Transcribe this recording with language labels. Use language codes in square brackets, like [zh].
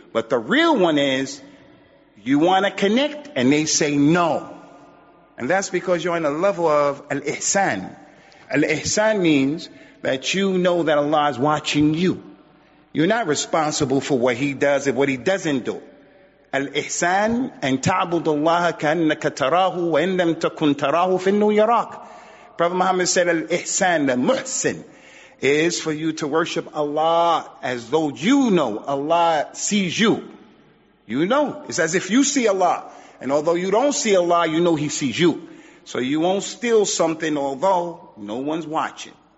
[en] But the real one is you want to connect and they say no. And that's because you're on a level of al-ihsan. Al-ihsan means that you know that Allah is watching you. You're not responsible for what he does and what he doesn't do. [ar] Al-ihsan, أن تعبد الله كأنك تراه وإن لم تكن تراه فإنه يراك. [en] Prophet Muhammad said, al-ihsan, al-muhsin, is for you to worship Allah as though you know Allah sees you. You know. It's as if you see Allah. And although you don't see Allah, you know he sees you. So you won't steal something although no one's watching.